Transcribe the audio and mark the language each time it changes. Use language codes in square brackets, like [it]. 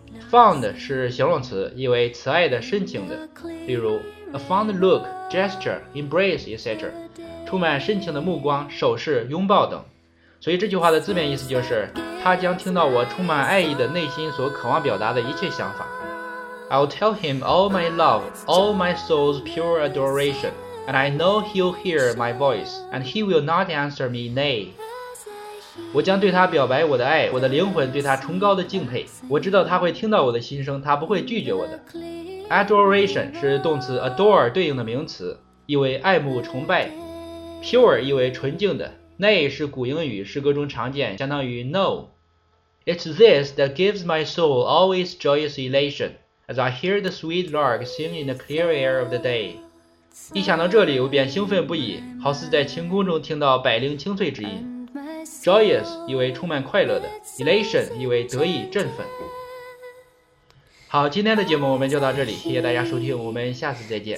[zh] fond 是形容词，意为慈爱的、深情的，例如 [en] a fond look, gesture, embrace, etc. [zh] 充满深情的目光、手势、拥抱等。所以这句话的字面意思就是他将听到我充满爱意的内心所渴望表达的一切想法。 [en] I'll tell him all my love, all my soul's pure adoration, and I know he'll hear my voice, and he will not answer me nay. [zh] 我将对他表白我的爱，我的灵魂对他崇高的敬佩，我知道他会听到我的心声，他不会拒绝我的。 Adoration 是动词 adore 对应的名词，意为爱慕崇拜。 Pure 意为纯净的，nay 是古英语，诗歌中常见，相当于 no。 [en] It's this that gives my soul always joyous elation as I hear the sweet lark sing in the clear air of the day。 [zh] 一想到这里我便兴奋不已，好似在晴空中听到百灵清脆之音。 Joyous 意为充满快乐的， elation 意为得意振奋。好，今天的节目我们就到这里，谢谢大家收听，我们下次再见。